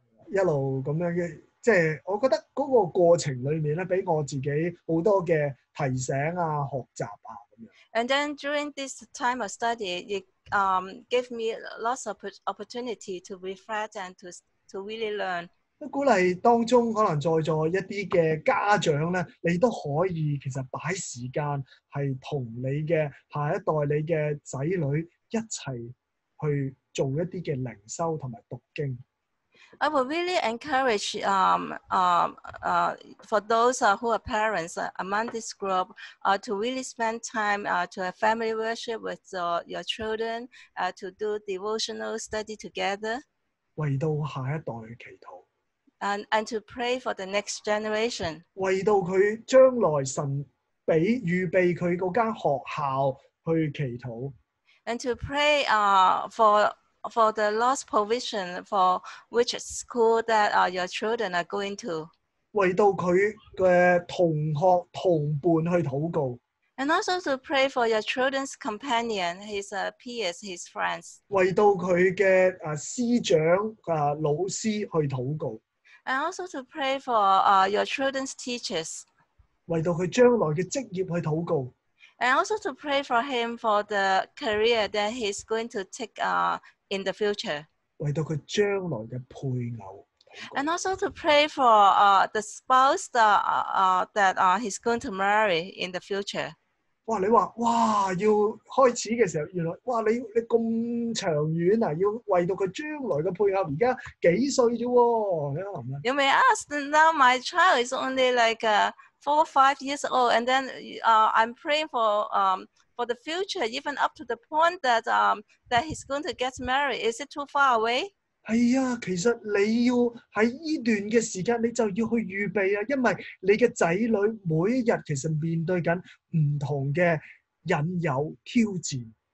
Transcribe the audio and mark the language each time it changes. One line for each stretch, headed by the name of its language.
Cantonese: 一路咁樣嘅。即係我覺得嗰個過程裡面咧，俾我自己好多嘅提醒啊、學習啊咁樣。
English: And then during this time of study, it gave me lots of opportunity to reflect and to really learn。
Cantonese: 都鼓勵當中可能在座一啲嘅家長咧，你都可以其實擺時間係同你嘅下一代、你嘅仔女一齊去做一啲嘅靈修同埋讀經。
English: I would really encourage for those who are parents among this group to really spend time to have family worship with your children to do devotional study together.
Cantonese: 為到下一代祈禱。
English: And to pray for the next generation.
Cantonese: 為到佢將來神俾預備佢嗰間學校去祈禱。
English: And to pray for the lost provision for which school that your children are going to.
Cantonese: 為到佢嘅同學同伴去禱告。
English: And also to pray for your children's companion, his peers, his friends.
Cantonese: 為到佢嘅師長老師去禱告。
English: And also to pray for your children's teachers.
Cantonese: 為到佢將來嘅職業去禱告。
English: And also to pray for him for the career that he's going to take in the future.
Cantonese: 為到佢將來嘅配偶。
English: And also to pray for the spouse that he's going to marry in the future. 哇！
Cantonese: 你話哇，要開始嘅時候，原來哇，你咁長遠啊，要為到佢將來嘅配偶，而家幾歲啫喎？你諗咧
English: ？You may ask now. My child is only like four or five years old, and then I'm praying for the future, even up to the point that he's going to get married. Is it too far away?
Cantonese: 係啊，其實你要喺依段嘅時間，你就要去預備啊，因為你嘅仔女每一日其實面對緊唔同嘅引誘挑戰。